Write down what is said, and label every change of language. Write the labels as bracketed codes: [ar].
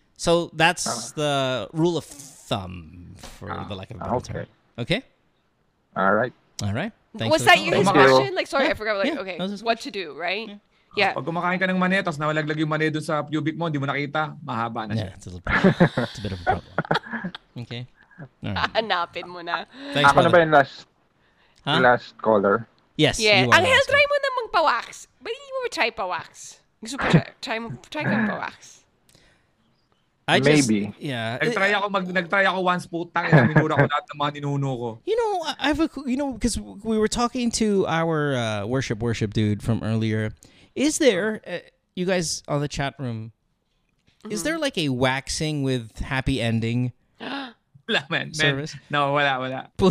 [en] So that's the rule of thumb for the lack of a better term. Okay? All right. Thanks. Was that your question? Like, sorry, I forgot. Like, okay, what to do, right? Yeah. [tl] Pag kumakain ka ng mani, tapos nawalaglag yung mani doon sa pubic mo, hindi mo nakita, mahaba na siya. [en] Yeah, it's a bit of a problem. Okay. [tl] Right. Hanapin mo na. Thanks, ako na ba yung last caller? [en] Yes. [tl] Yeah. Angel, try mo na magpawax. Ba't hindi mo try pawax? Gusto ko try ka pawax. Nag-try ako once po, tangin na minura ko lahat ng mga ninuno ko. [en] You know, because we were talking to our worship dude from earlier. Is there, you guys on the chat room, is there like a waxing with happy ending service? No, [tl] wala.